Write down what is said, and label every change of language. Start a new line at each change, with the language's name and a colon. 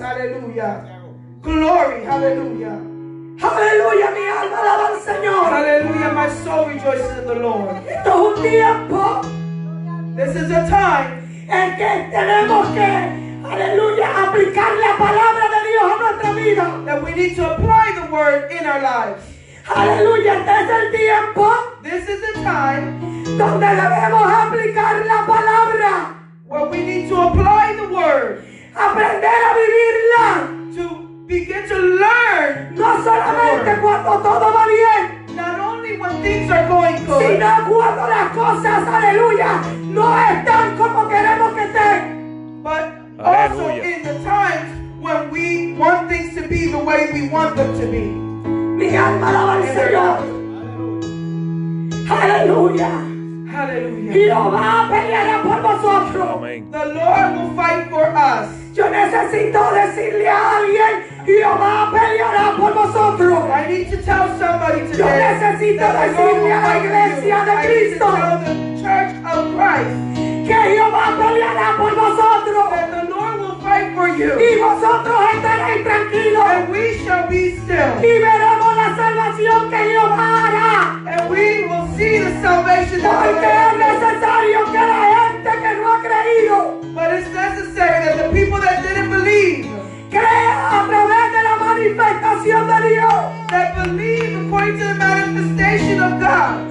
Spanish: Aleluya. Glory. Aleluya. Aleluya. Mi alma alaba al Señor.
English: Aleluya. My soul rejoices in the Lord.
Spanish: Esto es un tiempo.
English: This is a time.
Spanish: En que tenemos que. Aleluya, aplicar la palabra de Dios a nuestra vida.
English: That we need to apply the word in our lives.
Spanish: Aleluya, este es el tiempo.
English: This is the time.
Spanish: Donde debemos aplicar la palabra.
English: Where we need to apply the word.
Spanish: Aprender a vivirla.
English: To begin to learn.
Spanish: No solamente cuando todo va bien.
English: Not only when things are going good.
Spanish: Sino cuando las cosas, aleluya, no están como queremos que estén.
English: But also in the times when we want things to be the way we want them to be.
Spanish: Mi alma alaba al Señor. Aleluya. Aleluya. Peleará por vosotros.
English: The Lord will fight for us.
Spanish: Yo necesito decirle a alguien, Jehová peleará por vosotros.
English: I need to tell somebody today.
Spanish: Yo necesito decirle a la iglesia de Cristo.
English: I need to tell the church of Christ.
Spanish: Que Jehová peleará por vosotros.
English: That the Lord will fight for you.
Spanish: Y vosotros estaréis tranquilos.
English: And we shall be still.
Spanish: Y veremos la salvación que Jehová hará.
English: And we will see the salvation that the Lord will bring.
Spanish: Porque es necesario que la gente que no ha creído.
English: But it's necessary that the people that didn't believe.
Spanish: Crea a través de la manifestación de Dios.
English: That believe according to the manifestation of God.